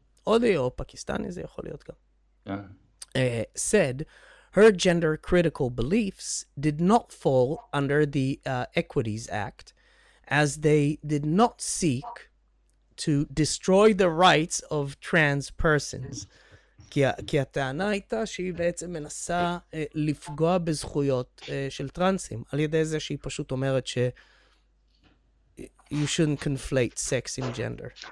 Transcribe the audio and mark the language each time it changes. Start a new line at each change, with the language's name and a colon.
Hebrew: הודי או פקיסטני זה יכול להיות גם.
English: Said her gender critical beliefs did not fall under the Equities Act as they did not seek to destroy the rights of trans persons.
Hebrew: כי הטענה הייתה שהיא בעצם מנסה לפגוע בזכויות של טרנסים על ידי זה שהיא פשוט אומרת ש
English: you shouldn't conflate sex and gender.